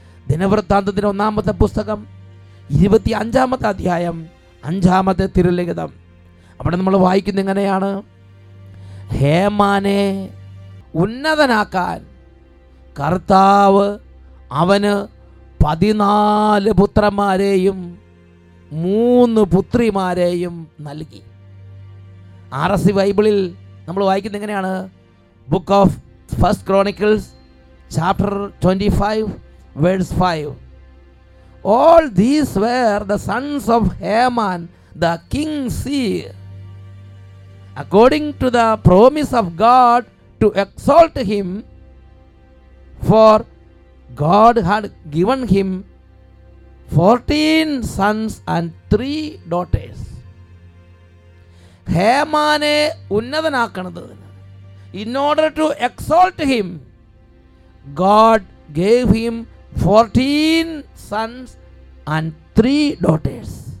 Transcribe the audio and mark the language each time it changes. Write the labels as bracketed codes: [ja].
[ml] ദിനവൃത്താന്തത്തിൻ്റെ 1-ാം പുസ്തകം 25-ാം അധ്യായം 5-ാമത്തെ തിരുലിഖിതം, അവിടെ നമ്മൾ വായിക്കുന്ന ഇങ്ങനെയാണ്: ഹേമാനെ ഉന്നതനാക്കാൻ കർത്താവ് അവന് 14 പുത്രന്മാരെയും 3 പുത്രിമാരെയും നൽകി. RSV ബൈബിളിൽ നമ്മൾ വായിക്കുന്നത് എങ്ങനെയാണ്? [en] Book of 1 Chronicles 25:5. All these were the sons of Haman, the king's seer, according to the promise of God to exalt him, for God had given him 14 sons and 3 daughters. [ml] ഹേമാനെ ഉന്നതനാക്കുന്നതിന്, [en] In order to exalt him, God gave him 14 sons and 3 daughters.